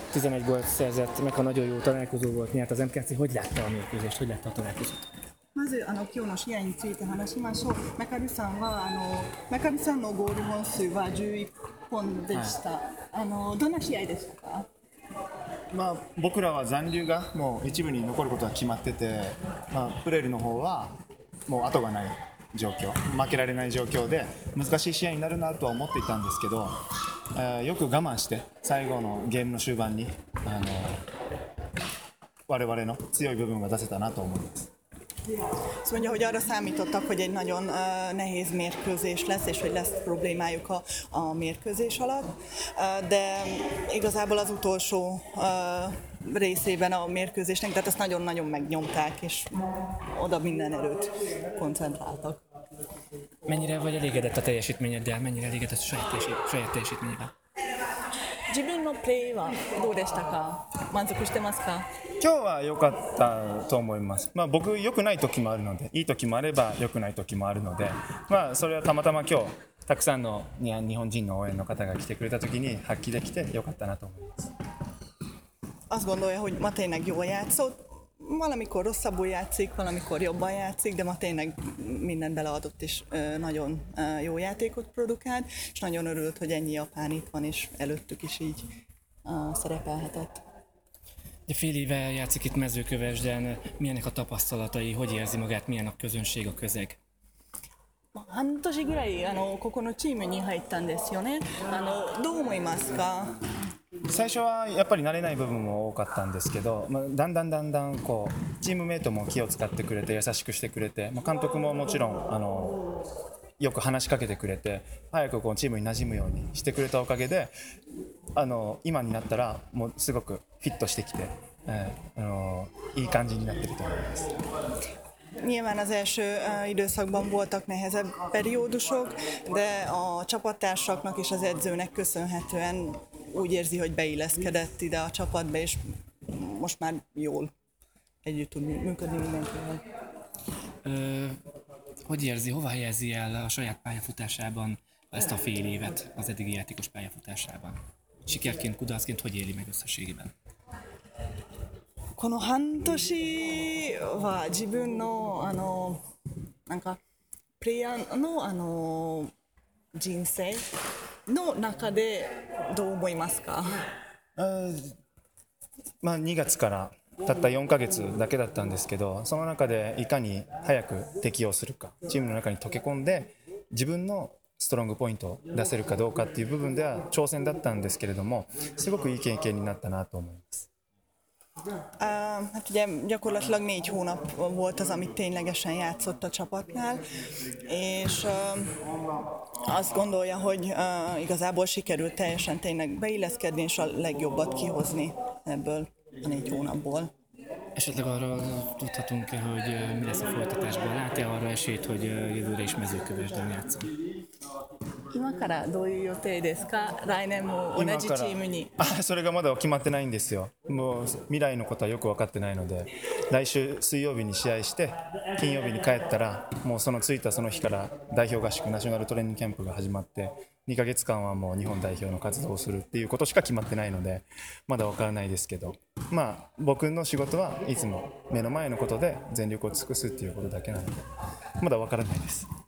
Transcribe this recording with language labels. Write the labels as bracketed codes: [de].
[hu] 11 gólt szerzett, meg a nagyon jó találkozó volt, nyert az MKC. Hogy látta a mérkőzést? Hogy látta a találkozót? [ja] Mazu あの今日の試合について話しましょう。メカビさんはあのメカビさんのゴール本数は11本でした。はい、あのどんな試合でしたか？まあ僕らは残留がもう一部に残ることは決まってて、まあプレルの方はもう後がない状況、負けられない状況で難しい試合になるなとは思っていたんですけど、よく我慢して最後のゲームの終盤に我々の強い部分が出せたなと思います。 [hu] Azt mondja, hogy arra számítottak, hogy egy nagyon nehéz mérkőzés lesz, és hogy lesz problémájuk a mérkőzés alatt, de igazából az utolsó részében a mérkőzésnek, tehát ezt nagyon-nagyon megnyomták, és oda minden erőt koncentráltak. Mennyire vagy elégedett a teljesítményeddel, mennyire elégedett a saját teljesítményével? [ja] 自分のプレイはどうでしたか？満足してますか？今日は良かったと思います。まあ僕良くない時もあるので、いい時もあれば良くない時もあるので、まあそれはたまたま今日たくさんの日本人の応援の方が来てくれた時に発揮できて良かったなと思います。 [hu] Azt gondolja, hogy ma tényleg jól játszott, valamikor rosszabbul játszik, valamikor jobban játszik, de ma tényleg minden beleadott és nagyon jó játékot produkált, és nagyon örült, hogy ennyi japán itt van, és előttük is így szerepelhetett. De fél éve játszik itt Mezőkövesden, milyenek a tapasztalatai, hogy érzi magát, milyen a közönség, a közeg? [ja] 半年ぐらいあのここのチームに入ったんですよね。あのどう思いますか？最初はやっぱり慣れない部分も多かったんですけど、まあ、だんだんだんだんこうチームメイトも気を使ってくれて優しくしてくれて、まあ、監督ももちろんあのよく話しかけてくれて早くこうチームに馴染むようにしてくれたおかげであの今になったらもうすごくフィットしてきて、あのいい感じになってると思います。 [hu] Nyilván az első időszakban voltak nehezebb periódusok, de a csapattársaknak és az edzőnek köszönhetően úgy érzi, hogy beilleszkedett ide a csapatba, és most már jól együtt tud működni mindenkivel. Hogy érzi, hova helyezi el a saját pályafutásában ezt a fél évet az eddigi játékos pályafutásában? Sikerként, kudarcként hogy éli meg összességében? [ja] この半年は自分のあのなんかプレイヤーのあの人生の中でどう思いますか？まあ2月からたった4ヶ月だけだったんですけど、その中でいかに早く適応するか、チームの中に溶け込んで自分のストロングポイントを出せるかどうかっていう部分では挑戦だったんですけれども、すごくいい経験になったなと思います。 [hu] Hát ugye gyakorlatilag 4 hónap volt az, amit ténylegesen játszott a csapatnál, és azt gondolja, hogy igazából sikerült teljesen tényleg beilleszkedni és a legjobbat kihozni ebből a 4 hónapból. Esetleg arra tudhatunk-e, hogy mi lesz a folytatásban? Lát-e arra esélyt, hogy jövőre is Mezőkövesden játszom? [ja] 今からどういう予定ですか？来年も同じチームに。あ、それがまだ決まってないんですよ。もう未来のことはよく分かってないので、来週水曜日に試合して、金曜日に帰ったら、もうその着いたその日から代表合宿、ナショナルトレーニングキャンプが始まって、2ヶ月間はもう日本代表の活動をするっていうことしか決まってないので、まだ分からないですけど、まあ僕の仕事はいつも目の前のことで全力を尽くすっていうことだけなので、まだ分からないです。